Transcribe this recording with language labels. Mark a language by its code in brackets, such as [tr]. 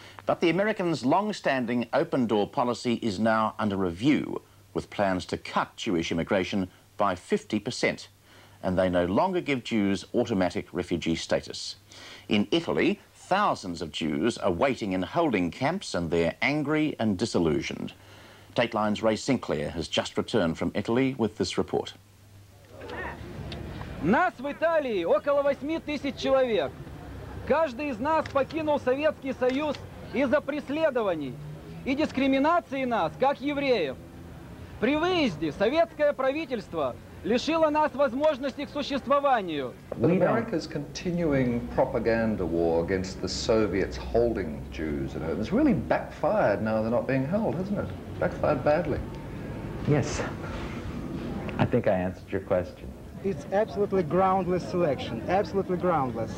[en] But the Americans' long-standing open-door policy is now under review, with plans to cut Jewish immigration by 50%, and they no longer give Jews automatic refugee status. In Italy, thousands of Jews are waiting in holding camps, and they're angry and disillusioned. Dateline's Ray Sinclair has just returned from Italy with this report. [ru] Нас в Италии около 8000 человек. Каждый из нас покинул Советский Союз из-за преследований и дискриминации нас, как евреев. При выезде советское правительство лишило нас возможности к существованию. [en] America's continuing propaganda war against the Soviets holding Jews at home has really backfired now they're not being held, hasn't it? Backfired badly. Yes. I think I answered your question. It's absolutely groundless selection, absolutely groundless.